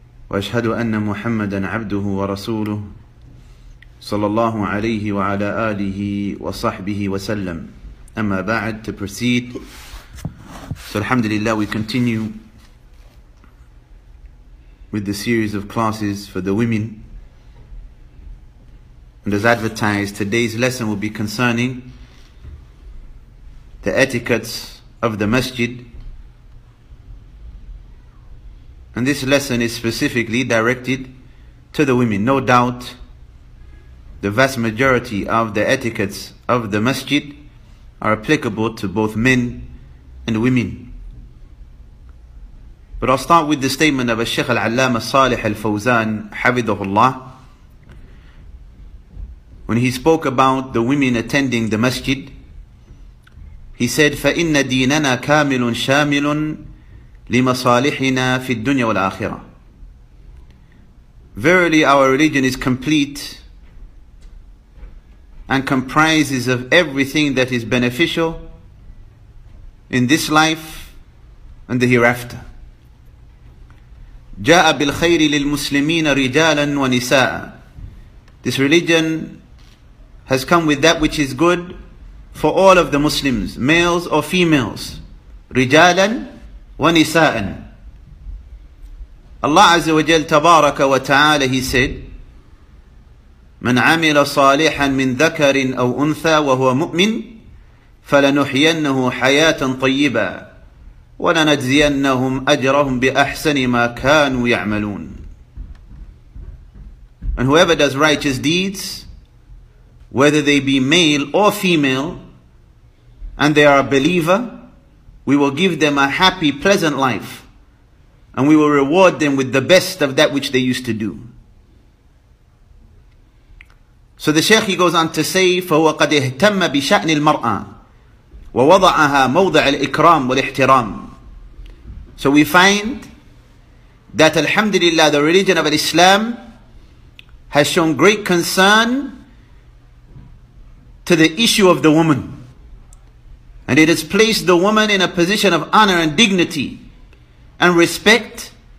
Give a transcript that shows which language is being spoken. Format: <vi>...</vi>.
<ar>وأشهد أن محمدا عبده ورسوله صلى الله عليه وعلى آله وصحبه وسلم أما بعد</ar> <en>to proceed so alhamdulillah we continue with the series of classes for the women. And as advertised, today's lesson will be concerning the etiquettes of the masjid. And this lesson is specifically directed to the women. No doubt, the vast majority of the etiquettes of the masjid are applicable to both men and women. But I'll start with the statement of Al-Shaykh Al-Allama Salih Al-Fawzan Hafidhahullah when he spoke about the women attending the masjid. He said,</en> <ar>فَإِنَّ دِينَنَا كَامِلٌ شَامِلٌ لِمَصَالِحِنَا فِي الدُّنْيَا وَالْآخِرَةِ.</ar> <en>Verily our religion is complete and comprises of everything that is beneficial in this life and the hereafter.</en> <ar>جاء بالخير للمسلمين رجالا ونساء.</ar> <en>This religion has come with that which is good for all of the Muslims, males or females.</en> <ar>رجالا ونساء. Allah عز وجل تبارك وتعالى,</ar> <en>He said,</en> <ar>من عمل صالحا من ذكر أو أنثى وهو مؤمن فلنحيينه حياة طيبة وَلَنَجْزِيَنَّهُمْ أَجْرَهُمْ بِأَحْسَنِ مَا كَانُوا يَعْمَلُونَ.</ar> <en>And whoever does righteous deeds, whether they be male or female, and they are a believer, we will give them a happy, pleasant life, and we will reward them with the best of that which they used to do. So the Shaykh, he goes on to say,</en> <ar>فَهُوَ قَدْ اِهْتَمَّ بِشَأْنِ الْمَرْآةِ وَوَضَعَهَا مَوْضَعَ الْإِكْرَامِ وَالْإِحْتِرَامِ.</ar> <en>So we find that alhamdulillah, the religion of Islam has shown great concern to the issue of the woman. And it has placed the woman in a position of honor and dignity and respect.</en>